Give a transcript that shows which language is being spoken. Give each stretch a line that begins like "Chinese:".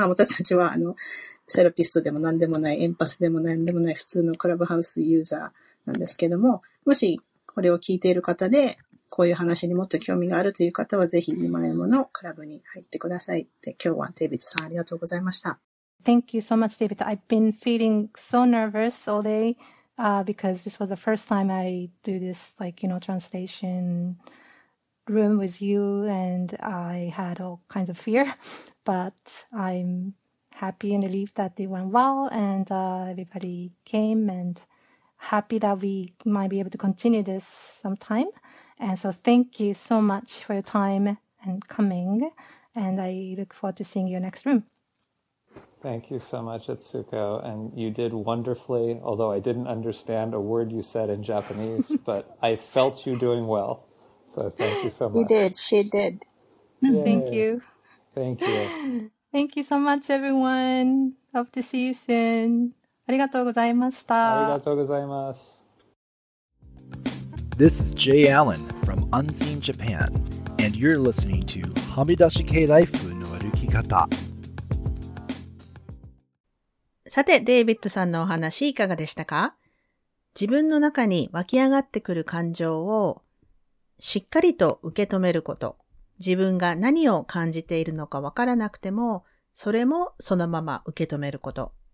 Japanese: まあ、私たちは、セラピストでも何でもない、エンパスでも何でもない、普通のクラブハウスユーザーなんですけども、もしこれを聞いている方で、こういう話にもっと興味があるという方はぜひ今山のクラブに入ってください。で、今日はデイビッドさんありがとうございました。
English: Thank you so much, David. I've been feeling so nervous all day, because this was the first time I do this, like, you know, translation room with you, and I had all kinds of fear, but I'm happy and relieved that they went well, and everybody came, and happy that we might be able to continue this sometime. And so thank you so much for your time and coming. And I look forward to seeing you next room. Thank you so much, Atsuko. And you did wonderfully, although I didn't understand a word you said in Japanese, but I felt you doing well. So thank you so much. You did. She did. Thank you. Thank you. Thank you so much, everyone. Hope to see you soon.
Japanese: ありがとうございました。ありがとうございます。
English: This is Jay Allen from Unseen Japan, and you're listening to Hamidashi Kei Life no Aruki Kata.
Japanese: さて、デイビッドさんのお話いかがでしたか？自分の中に湧き上がってくる感情をしっかりと受け止めること、自分が何を感じているのかわからなくても、それもそのまま受け止めること。